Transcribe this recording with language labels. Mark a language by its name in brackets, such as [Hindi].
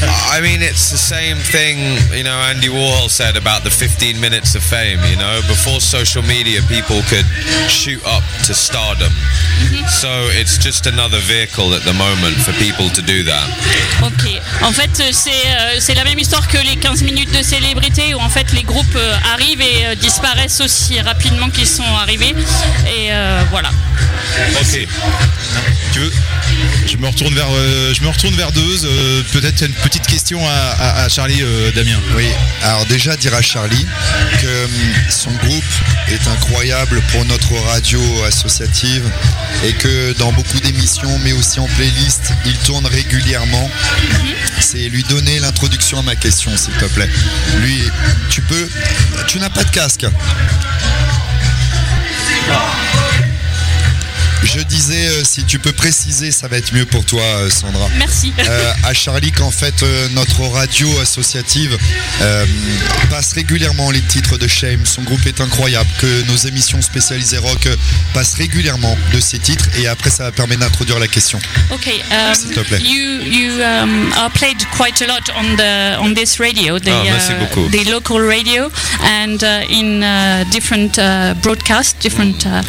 [English] I mean, it's the same thing, you know, Andy Warhol said about the 15 minutes of fame, you know. Before social media, people could shoot up to stardom. So it's just another vehicle at the moment for people to do that. Ok. [French] En fait, c'est la même histoire que les 15 minutes de célébrité, où en fait les groupes arrivent et disparaissent aussi rapidement qu'ils sont arrivés. Et voilà. Ok. Tu veux? Je me retourne vers Deuze. Peut-être une petite question à Charlie, Damien. Oui, alors déjà dire à Charlie que son groupe est incroyable pour notre radio associative et que dans beaucoup d'émissions, mais aussi en playlist, il tourne régulièrement. C'est lui donner l'introduction à ma question, s'il te plaît. Lui, tu peux. Tu n'as pas de casque. Je disais, si tu peux préciser, ça va être mieux pour toi, Sandra. Merci. À Charlie qu'en fait, notre radio associative passe régulièrement les titres de Shame. Son groupe est incroyable. Que nos émissions spécialisées rock passent régulièrement de ces titres. Et après, ça va permettre d'introduire la question. Ok. S'il te plaît. [English] You are played quite a lot on this radio. [French] Merci beaucoup. [English] The local radio and in different broadcasts, different...